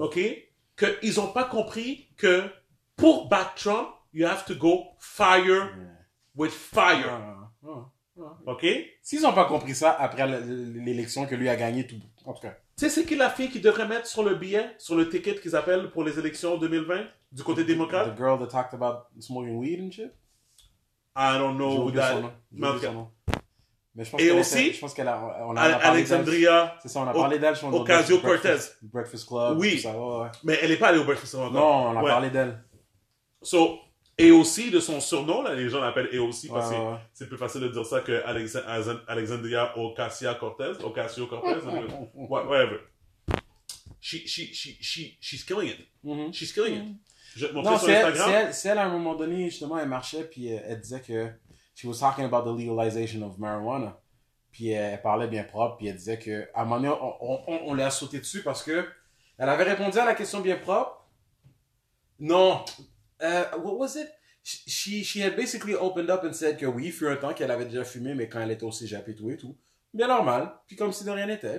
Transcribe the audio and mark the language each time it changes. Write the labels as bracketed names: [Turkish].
[French] OK? Qu'ils ont pas compris que pour battre Trump, [English] you have to go fire with fire. [French] OK? S'ils ont pas compris ça après l'élection que lui a gagné tout. En tout cas. Tu sais, c'est qui la fille qui devrait mettre sur le billet, sur le ticket qu'ils appellent pour les élections 2020 du côté démocrate? [English] The girl that talked about smoking weed and shit? I don't know who that. [French] Mais je pense et aussi, je pense qu'elle a, on a Alexandria. D'elle. C'est ça, on a parlé d'elle. Ocasio Cortez. Breakfast Club. Oui. Ça, ouais. Mais elle n'est pas allée au Breakfast Club. Non, on a parlé d'elle. So, et aussi de son surnom, là, les gens l'appellent et aussi parce que c'est plus facile de dire ça que Alexandria Ocasio Cortez. [English] Ocasio Cortez. Whatever. She's killing it. Mm-hmm. She's killing it. [French] C'est elle, à un moment donné, justement, elle marchait, puis elle disait que... [English] She was talking about the legalization of marijuana. [French] Puis elle parlait bien propre, puis elle disait que... À un moment donné, on l'a sauté dessus parce que... Elle avait répondu à la question bien propre. Non. [English] What was it? She had basically opened up and said [French] que oui, il fut un temps qu'elle avait déjà fumé, mais quand elle était au cégep et tout. Bien normal. Puis comme si de rien n'était.